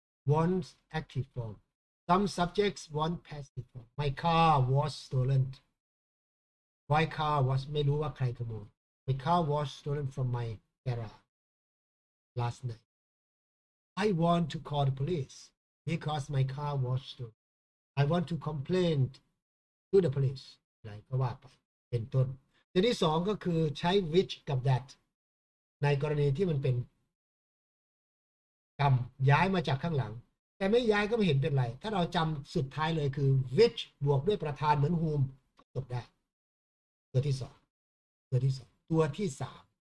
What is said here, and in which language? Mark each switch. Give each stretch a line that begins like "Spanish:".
English: want active form some subjects want passive form my car was stolen my car was
Thai: ไม่รู้ว่าใครขโมย
English: my car was stolen from my garage last nightI want to call the police. because my car was stolen. I want to complain to the police.
Thai: ไรก็ว่าไปเป็นต้นทีนี้สองก็คือใช้ which กับ that ในกรณีที่มันเป็นกรรมย้ายมาจากข้างหลังแต่ไม่ย้ายก็ไม่เห็นเป็นไรถ้าเราจำสุดท้ายเลยคือ which บวกด้วยประธานเหมือน whom จบได้ตัวที่สองตัวที่สองตัวที่สาม